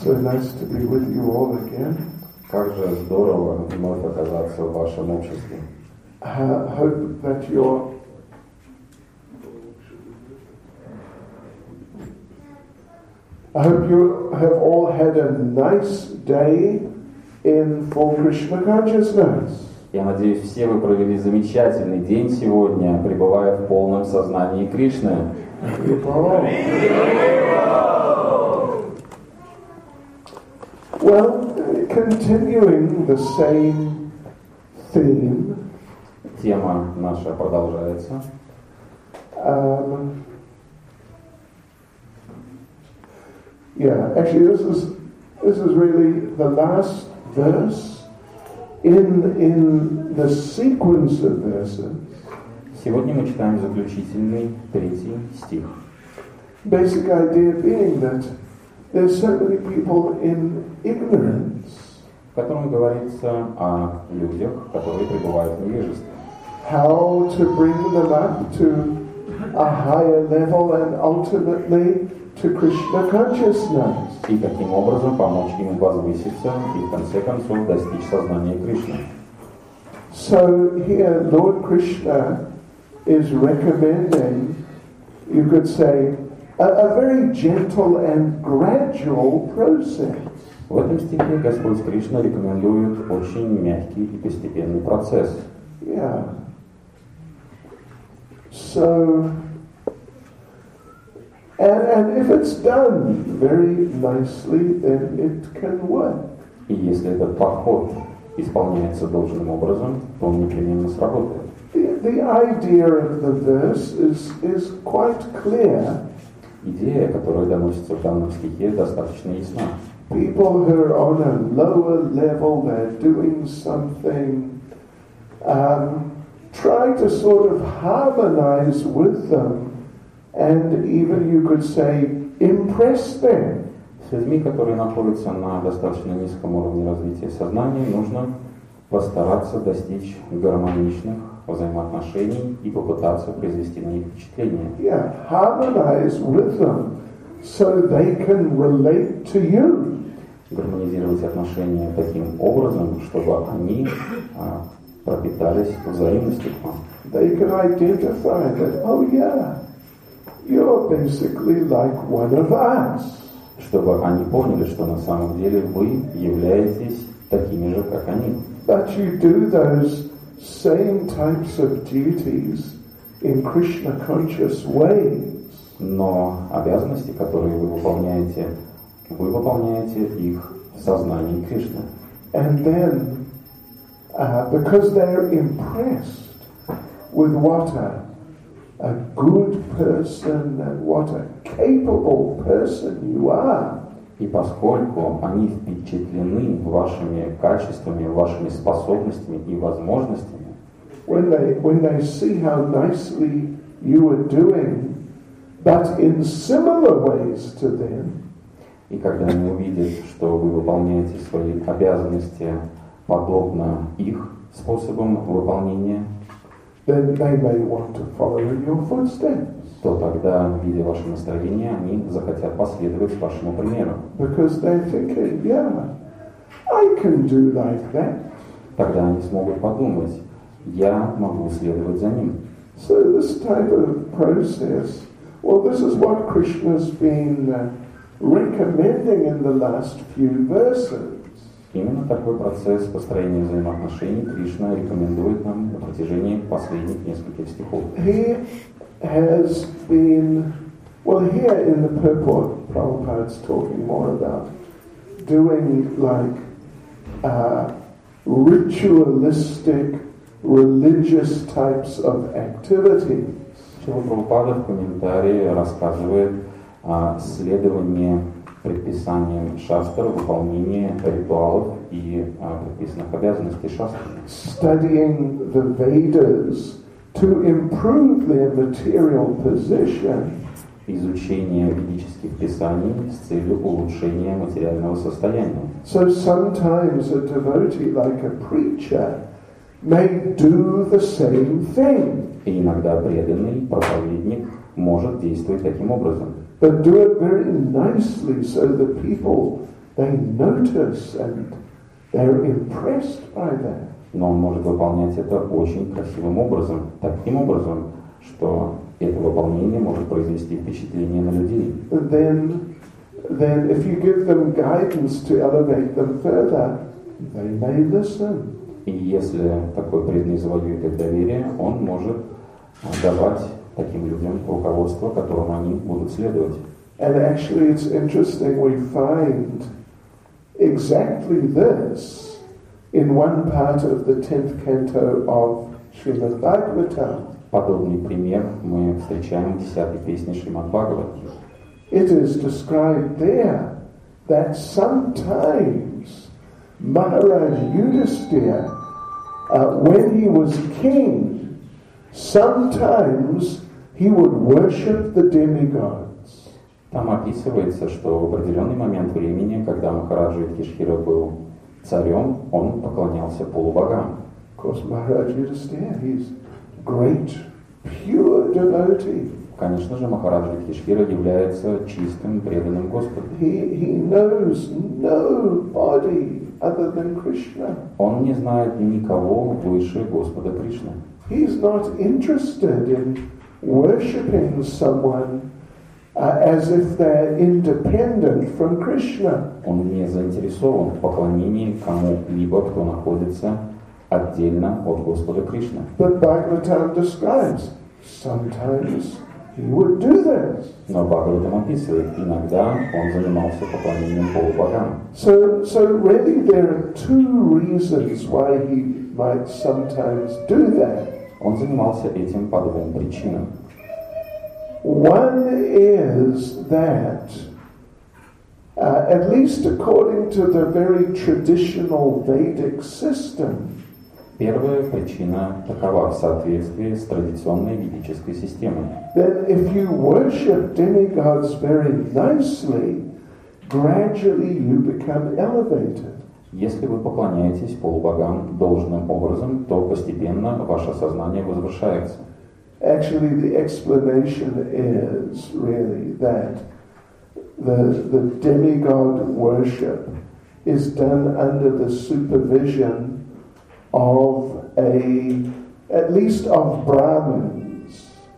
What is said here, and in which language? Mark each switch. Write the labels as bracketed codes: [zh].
[en] So nice to be with you all again. [ru] Как же здорово вновь оказаться в вашем обществе. [en] Hope that you're I hope you have all had a nice day in full Krishna consciousness. [ru] Я надеюсь, все вы провели замечательный день сегодня, пребывая в полном сознании Кришны. [en] Well, continuing the same theme. [ru] Тема наша продолжается. [en] Yeah, actually, this is really the last verse in the sequence of verses. [ru] Сегодня мы читаем заключительный третий стих. [en] Basic idea being that there's so many people in ignorance. [ru] В котором говорится о людях, которые пребывают в невежестве. [en] How to bring them up to a higher level and ultimately to Krishna consciousness. [ru] И таким образом помочь им возвыситься и в конце концов достичь сознания Кришны. [en] So here Lord Krishna is recommending, you could say, a very gentle and gradual process. [ru] В этом стихе Господь Кришна рекомендует очень мягкий и постепенный процесс. [en] Yeah. So And if it's done very nicely, then it can work. [ru] И если этот подход исполняется должным образом, то он непременно сработает. [en] The idea of the verse is quite clear. [ru] Идея, которая доносится в данном стихе, достаточно ясна. [en] People who are on a lower level, they're doing something. Try to sort of harmonize with them. And even you could say impress them. [ru] С людьми, которые находятся на достаточно низком уровне развития сознания, нужно постараться достичь гармоничных взаимоотношений и попытаться произвести на них впечатление. [en] Yeah, harmonize with them, so they can relate to you. [ru] Гармонизировать отношения таким образом, чтобы они пропитались взаимностью к вам. [en] They can identify that. Oh yeah. You're basically like one of us. [ru] Чтобы они поняли, что на самом деле вы являетесь такими же, как они. [en] But you do those same types of duties in Krishna-conscious ways. [ru] Но обязанности, которые вы выполняете их в сознании Кришны. [en] And then, because they're impressed with water. A good person, and what a capable person you are. [ru] И поскольку они впечатлены вашими качествами, вашими способностями и возможностями, [en] when they see how nicely you are doing, but in similar ways to them, [ru] И когда они увидят, что вы выполняете свои обязанности подобно их способам выполнения, [en] then they may want to follow in your footsteps. [ru] То тогда, видя ваше настроение, они захотят последовать вашему примеру. [en] Because they think, yeah, I can do like that. [ru] Тогда они смогут подумать, я могу следовать за ним. [en] So this type of process, well, this is what Krishna's been recommending in the last few verses. [ru] Именно такой процесс построения взаимоотношений Кришна рекомендует нам на протяжении последних нескольких стихов. [en] He has been, well, here in the purport, Prabhupada's talking more about doing like ritualistic, religious types of activities. [ru] Шрила Прабхупада в комментарии рассказывает о следовании предписанием шастр, выполнение ритуалов и предписанных обязанностей шастр. [en] Studying the Vedas to improve their material position. [ru] Изучение ведических писаний с целью улучшения материального состояния. [en] So sometimes a devotee, like a preacher, may do the same thing. [ru] И иногда преданный проповедник может действовать таким образом. [en] But do it very nicely so the people they notice and they're impressed by that. [ru] Но он может выполнять это очень красивым образом, таким образом, что это выполнение может произвести впечатление на людей. [en] Then if you give them guidance to elevate them further, they may listen. [ru] И если такой преданный завоюет их доверие, он может давать таким людям руководство, которому они будут следовать. [en] And actually it's interesting, we find exactly this in one part of the 10th canto of Srimad Bhagavatam. [ru] Подобный пример мы встречаем в 10-й песне Шримад Бхагаватам. [en] It is described there that sometimes Maharaj Yudhisthira, when he was king, sometimes he would worship the demigods. [ru] Там описывается, что в определенный момент времени, когда Махараджа Юдхиштхира был царем, он поклонялся полубогам. [en] Of course, Maharaj Yudhisthira, he's great, pure devotee. [ru] Конечно же, Махараджа Юдхиштхира является чистым, преданным Господу. [en] He knows nobody other than Krishna. [ru] Он не знает никого выше Господа Кришны. [en] He's not interested in worshipping someone as if they're independent from Krishna. [ru] Он не заинтересован в поклонении кому-либо, кто находится отдельно от Господа Кришны. [en] But Bhagavatam describes sometimes he would do this. [ru] Но Бхагаватам описывает, иногда он занимался поклонением полубогам. [en] So really there are two reasons why he might sometimes do that. [ru] Он занимался этим по двум причинам. [en] One is that, at least according to the very traditional Vedic system, [ru] первая причина такова в соответствии с традиционной ведической системой. [en] That if you worship demigods very nicely, gradually you become elevated. [ru] Если вы поклоняетесь полубогам должным образом, то постепенно ваше сознание возвышается. [en] Actually, the explanation is really that the demigod worship is done under the supervision of at least of Brahmins.